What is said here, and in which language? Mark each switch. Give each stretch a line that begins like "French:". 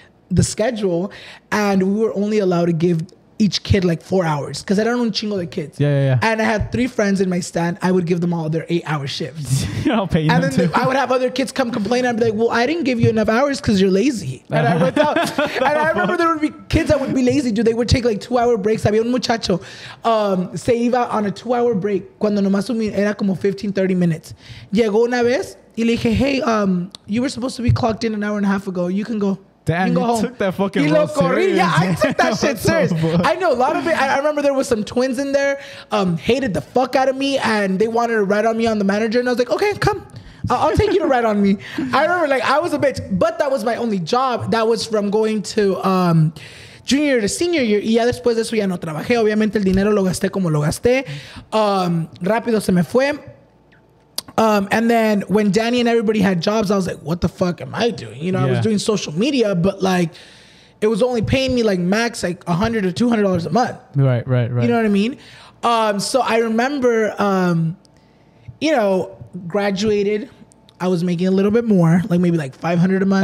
English: the schedule, and we were only allowed to give each kid like 4 hours because I don't know chingo the kids. Yeah. And I had three friends in my stand. I would give them all their 8 hour shifts. I'll pay you. And them then too. I would have other kids come complain. I'd be like, well, I didn't give you enough hours because you're lazy. And I went out. And I remember there would be kids that would be lazy, dude. They would take like 2 hour breaks.
Spanish: Había un muchacho, se iba
English: on a 2 hour break
Spanish: cuando nomás era como
English: 15, 30 minutes.
Spanish: Llegó una vez y le dije,
English: hey, you were supposed to be clocked in an hour and a half ago. You can go. Damn, you took that fucking role serious. Yeah, I took that shit serious. I know a lot of it. I remember there was some twins in there, hated the fuck out of me, and they wanted to ride on me on the manager. And I was like, okay, come. I'll take you to ride on me. I remember, like, I was a bitch. But that was my only job. That was from going to junior to senior year.
Spanish: Y ya después de eso ya no trabajé. Obviamente el dinero lo gasté como lo gasté. Rápido se me fue.
English: And then when Danny and everybody had jobs, I was like, what the fuck am I doing? You know, yeah. I was doing social media, but like, it was only paying me like max, like $100 or $200 a month. Right. You know what I mean? So I remember, you know, graduated, I was making a little bit more, like maybe like $500 a month.